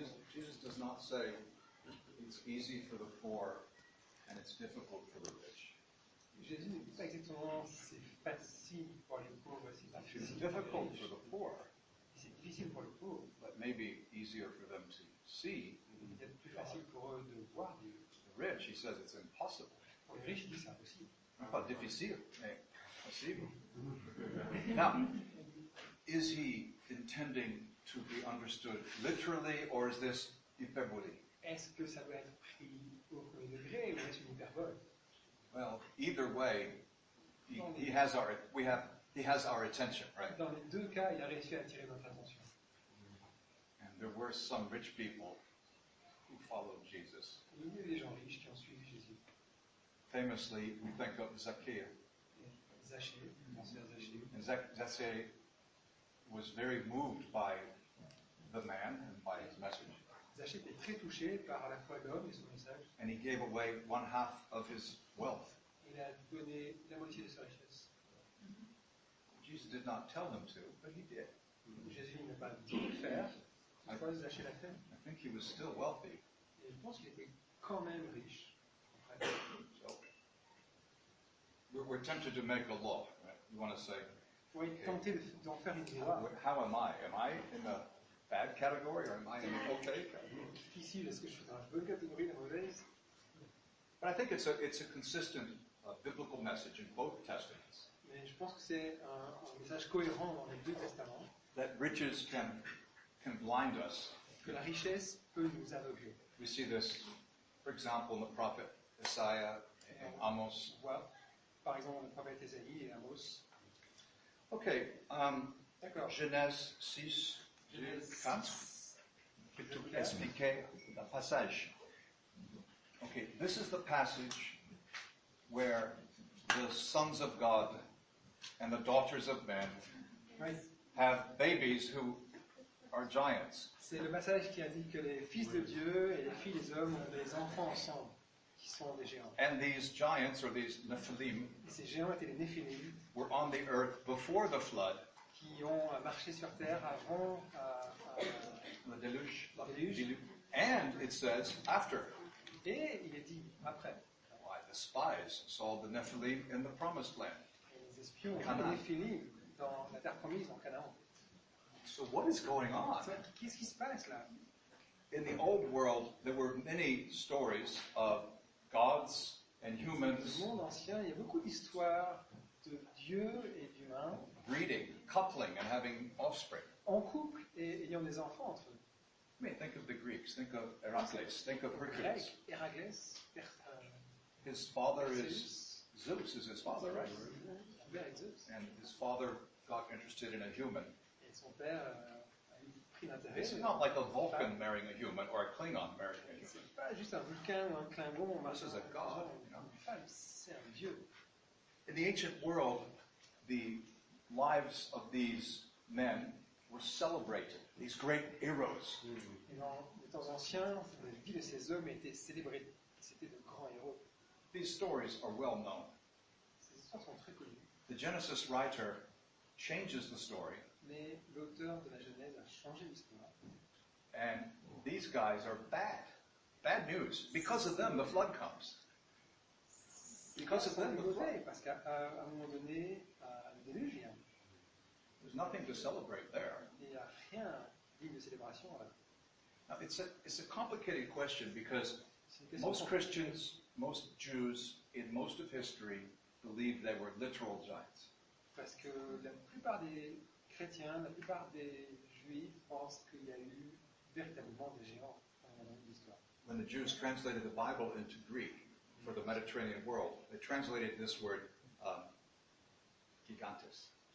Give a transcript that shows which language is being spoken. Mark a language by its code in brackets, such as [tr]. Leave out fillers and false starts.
[en] Jesus does not say it's easy for the poor and it's difficult for the rich. [fr] Jésus ne dit pas exactement c'est facile pour les pauvres, c'est facile. [en] It's difficult for the poor. [fr] C'est difficile pour les pauvres. [en] But maybe easier for them to see. [fr] Peut-être plus facile pour eux de voir Dieu. [en] The rich, he says, it's impossible. [fr] Pour les riches, c'est impossible. Pas difficile, mais possible. [en] Now, is he intending to be understood literally, or is this hyperbole? [fr] Est-ce que ça doit être pris au premier degré ou est-ce une hyperbole? [en] Well, either way, he has our attention, right? [fr] Dans les deux cas, il a réussi à attirer notre attention. [en] And there were some rich people who followed Jesus. [fr] Il y a des gens riches qui ont suivi Jésus. [en] Famously, we think of Zacchaeus. Zacchaeus was very moved by the man and by his message. [fr] Zacchée était très touché par la foi de l'homme et son message. [en] And he gave away one half of his wealth. [fr] Il a donné la moitié de sa richesse. [en] Jesus did not tell him to. But he did. [fr] Jésus n'a pas dit de faire. Pourquoi Zacchée l'a fait? [en] I think he was still wealthy. [fr] Et je pense qu'il était quand même riche. [en] So, we're tempted to make a law. Right? You want to say? [fr] Oui, tenter d'en faire une loi. [en] How am I? Am I in a bad category or am I in an okay category? [fr] Ici, est-ce que je suis dans la bonne catégorie, la mauvaise? [en] But I think it's a consistent biblical message in both testaments. [fr] Mais je pense que c'est un message cohérent dans les deux testaments. [en] That riches can blind us. [fr] Que la richesse peut nous aveugler. [en] We see this, for example, in the prophet Isaiah and Amos. [fr] Well, par exemple, le prophète Isaïe et Amos. [en] Okay, [fr] d'accord. Genèse 6, 4, plutôt expliquer le passage. [en] Okay, this is the passage where the sons of God and the daughters of men have babies who are giants. [fr] C'est le passage qui indique que les fils de Dieu et les filles des hommes ont des enfants ensemble, qui sont des géants. [en] And these giants, or these Nephilim, [fr] ces géants étaient les Néphilim, [en] were on the earth before the flood, [fr] qui ont marché sur terre avant le déluge. Déluge. [en] And it says after. [fr] Et il est dit après. [en] Why the spies saw the Nephilim in the promised land. [fr] Les espions ont vu les Néphilim dans la terre promise en Canaan. [en] So what is going on? [fr] Qu'est-ce qui se passe là? [en] In the old world, there were many stories of gods and humans. [fr] Dans le monde ancien, il y a beaucoup d'histoires de Dieu et d'humain. [en] Breeding, coupling, and having offspring. [fr] En couple et ayant des enfants entre eux. [en] I mean, think of the Greeks. Think of Heracles. Think of Hercules. Heracles. His father is Zeus. Is his father right? Zeus. And his father got interested in a human. [fr] Et son père [en] this is not like a Vulcan marrying a human or a Klingon marrying a human. [fr] C'est pas juste un Vulcain ou un Klingon. [en] This is a god. [fr] C'est un dieu. [en] In the ancient world, the lives of these men were celebrated. These great heroes. [fr] Dans les temps anciens, la vie de ces hommes était célébrée. C'était de grands héros. [en] These stories are well known. [fr] Ces histoires sont très connues. [en] The Genesis writer changes the story. [fr] Mais l'auteur de la Genèse a changé l'histoire. [en] And these guys are bad. Bad news. Because of them, the flood comes. Because of them, the flood. [fr] Parce qu'à un moment donné, le déluge vient. [en] There's nothing to celebrate there. [fr] Il n'y a rien digne de célébration là. [en] Now, it's a complicated question because most Christians, most Jews, in most of history, believe they were literal giants. [fr] Parce que la plupart des chrétiens, la plupart des juifs pensent qu'il y a eu véritablement des géants dans l'histoire. [en] When the Jews translated the Bible into Greek for the Mediterranean world, they translated this word gigantes.